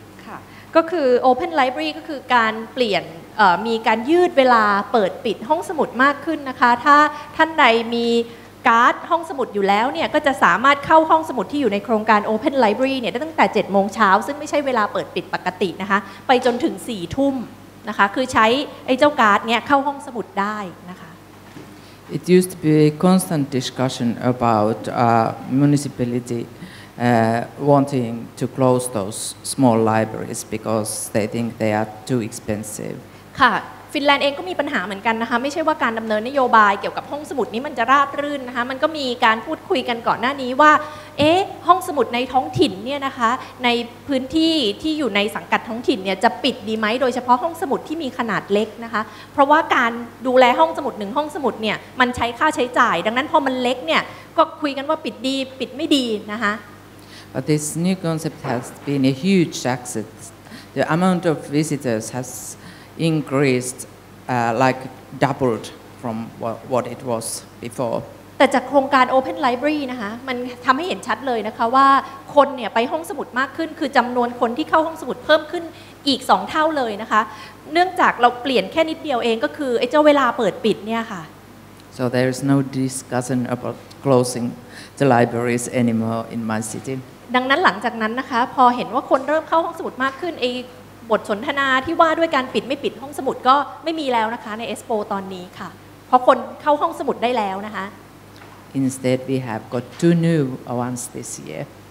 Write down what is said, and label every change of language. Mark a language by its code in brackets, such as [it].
[th] ค่ะก็คือ Open Library ก็คือการเปลี่ยนมีการยืดเวลาเปิดปิดห้องสมุดมากขึ้นนะคะถ้าท่านใดมีการ์ดห้องสมุดอยู่แล้วเนี่ยก็จะสามารถเข้าห้องสมุดที่อยู่ในโครงการ Open Library เนี่ยได้ตั้งแต่7โมงเช้าซึ่งไม่ใช่เวลาเปิดปิดปกตินะคะไปจนถึง4ทุ่มนะคะคือใช้ไอ้เจ้าการ์ดเนี่ยเข้าห้องสมุดได้นะคะ [en] It used to be a constant discussion about municipality wanting to close those small libraries because they think they are too expensive [th] ค่ะฟินแลนด์เองก็มีปัญหาเหมือนกันนะคะไม่ใช่ว่าการดำเนินนโยบายเกี่ยวกับห้องสมุดนี้มันจะราบรื่นนะคะมันก็มีการพูดคุยกันก่อนหน้านี้ว่าเอ๊ะห้องสมุดในท้องถิ่นเนี่ยนะคะในพื้นที่ที่อยู่ในสังกัดท้องถิ่นเนี่ยจะปิดดีไหมโดยเฉพาะห้องสมุดที่มีขนาดเล็กนะคะเพราะว่าการดูแลห้องสมุดหนึ่งห้องสมุดเนี่ยมันใช้ค่าใช้จ่ายดังนั้นพอมันเล็กเนี่ยก็คุยกันว่าปิดดีปิดไม่ดีนะคะ [en] But this new concept has been a huge success. The amount of visitors hasincreased like doubled from what it was before [th] แต่จากโครงการ Open Library นะคะมันทําให้เห็นชัดเลยนะคะว่าคนเนี่ยไปห้องสมุดมากขึ้นคือจํานวนคนที่เข้าห้องสมุดเพิ่มขึ้นอีก2เท่าเลยนะคะเนื่องจากเราเปลี่ยนแค่นิดเดียวเองก็คือไอ้เจ้าเวลาเปิดปิดเนี่ยค่ะ [en] So there is no discussion about closing the libraries anymore in my city [th] ดังนั้นหลังจากนั้นนะคะพอเห็นว่าคนเริ่มเข้าห้องสมุดมากขึ้นไอ้ บทสนทนาที่ว่าด้วยการปิดไม่ปิดห้องสมุดก็ไม่มีแล้วนะคะในเอ็กซ์โปตอนนี้ค่ะเพราะคนเข้าห้องสมุดได้แล้วนะคะ [en] Instead we have got two new ones this year